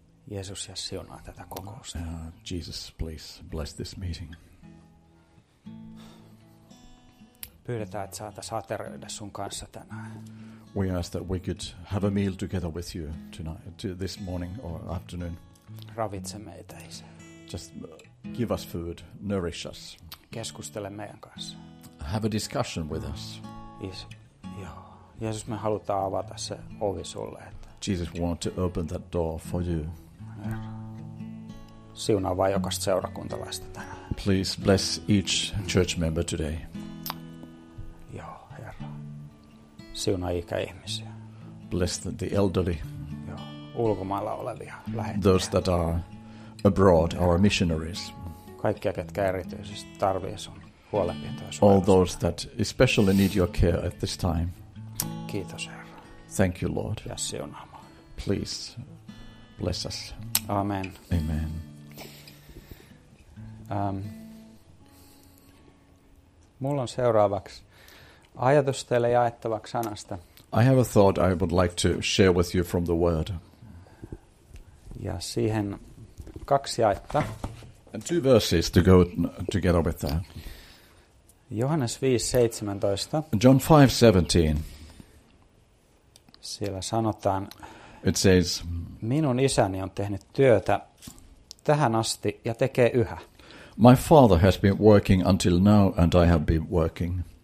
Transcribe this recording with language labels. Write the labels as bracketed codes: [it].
[fi] Jeesus ja siunaa tätä kokousta. [en] Jesus, please bless this meeting. [fi] Pyydetään, että saataisiin aterioida sun kanssa tänään. [en] We ask that we could have a meal together with you tonight, this morning or afternoon. [fi] Ravitse meitä, Isä. [en] Just give us food, nourish us. [fi] Keskustele meidän kanssa. [en] Have a discussion with us. [fi] Isä, joo. Jeesus, me halutaan avata se ovi sulle. [en] Jesus, we want to open that door for you. [fi] Siunaa vaan jokaista seurakuntalaista tänään. [en] Please bless each church member today. [fi] Joo, Herra. Siunaa ikäihmisiä. [en] Bless the elderly. [fi] Joo, ulkomailla olevia lähettäjiä. [en] Those that are abroad, our missionaries. [fi] Kaikkia, ketkä erityisesti tarvitsee sun huolenpitoa. [en] All those that especially need your care at this time. [fi] Kiitos, Herra. [en] Thank you, Lord. [fi] Ja siunaamaan. [en] Please bless us. [fi] Amen. [en] Amen. [fi] Mulla on seuraavaksi ajatus teille jaettavaksi sanasta. [en] I have a thought I would like to share with you from the word. [fi] Ja siihen kaksi jaetta. [en] And two verses to go together with that. [fi] Johannes 5:17. [en] John 5:17. [fi] Siellä sanotaan, [en] it says, [fi] minun isäni on tehnyt työtä tähän asti ja tekee yhä. [en] My father has been working until now and I have been working.